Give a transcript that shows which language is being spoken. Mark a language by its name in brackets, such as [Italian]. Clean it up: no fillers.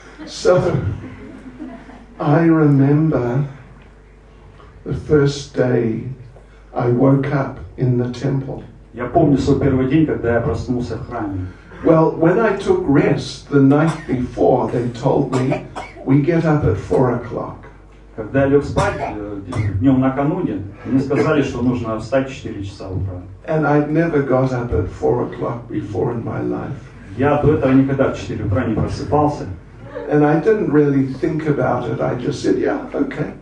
[English] So, I remember the first day I woke up in the temple. [Russian] Я помню свой первый день, когда я проснулся в храме. [English] Well, when I took rest the night before, they told me we get up at 4 o'clock. [Russian] Когда я лег спать днем накануне, мне сказали, что нужно встать в 4 часа утра. [English] And I'd never got up at 4 o'clock before in my life. [Russian] Я до этого никогда в 4 утра не просыпался. [English] And I didn't really think about it. I just said, "Yeah, okay."